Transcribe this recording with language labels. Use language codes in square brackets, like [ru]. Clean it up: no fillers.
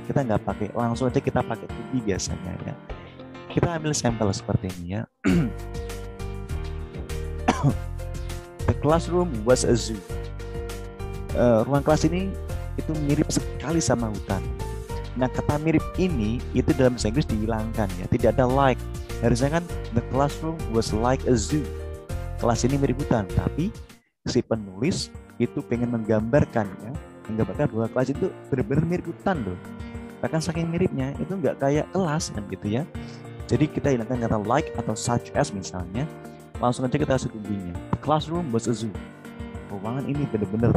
[id] Kita nggak pakai, langsung aja kita pakai to be biasanya. Ya. Kita ambil sampel seperti ini, ya. [en] The classroom was a zoo. [id] Ruang kelas ini itu mirip sekali sama hutan. Nah, kata mirip ini itu dalam bahasa Inggris dihilangkan, ya. Tidak ada like. Harusnya kan [en] the classroom was like a zoo. [id] Kelas ini mirip hutan, tapi si penulis itu pengen menggambarkannya, menggambarkan bahwa kelas itu benar-benar mirip hutan loh. Bahkan saking miripnya itu enggak kayak kelas kan gitu ya. Jadi kita hilangkan kata like atau such as misalnya. Langsung aja kita kasih tingginya. [en] The classroom was a zoo. [id] Ruangan ini benar-benar.